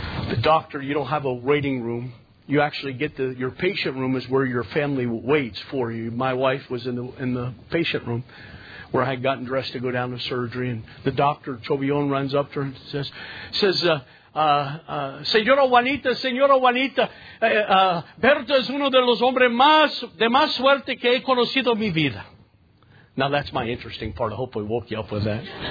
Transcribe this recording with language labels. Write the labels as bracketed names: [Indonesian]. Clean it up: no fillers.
[English] The doctor, you don't have a waiting room. You actually get your patient room is where your family waits for you. My wife was in the patient room where I had gotten dressed to go down to surgery. And the doctor, Chobillon, runs up to her and says, [Spanish] Señora Juanita, Señora Juanita, Berta es uno de los hombres de más suerte que he conocido en mi vida. [English] Now, that's my interesting part. I hope we woke you up with that.